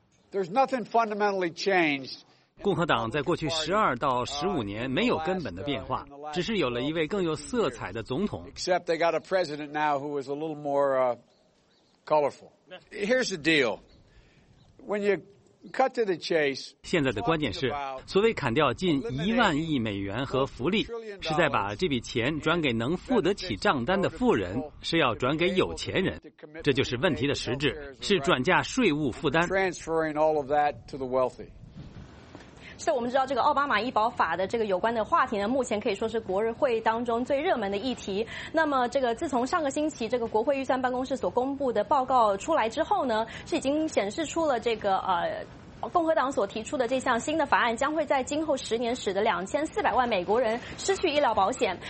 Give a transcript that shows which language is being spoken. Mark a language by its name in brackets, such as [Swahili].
[English] There's nothing fundamentally changed. [Chinese] 共和党在过去12到15年没有根本的变化，只是有了一位更有色彩的总统。 [English] Except they got a president now who is a little more colorful. Here's the deal. When you cut to the chase, [Chinese] 现在的关键是，所谓砍掉近10,000亿美元和福利，是在把这笔钱转给能付得起账单的富人，是要转给有钱人。这就是问题的实质，是转嫁税务负担。 [English] Transferring all of that to the wealthy. [Chinese] 是，我们知道这个奥巴马医保法的这个有关的话题呢，目前可以说是国会当中最热门的议题。那么这个自从上个星期这个国会预算办公室所公布的报告出来之后呢，是已经显示出了这个共和党所提出的这项新的法案将会在今后10年使得2400万美国人失去医疗保险。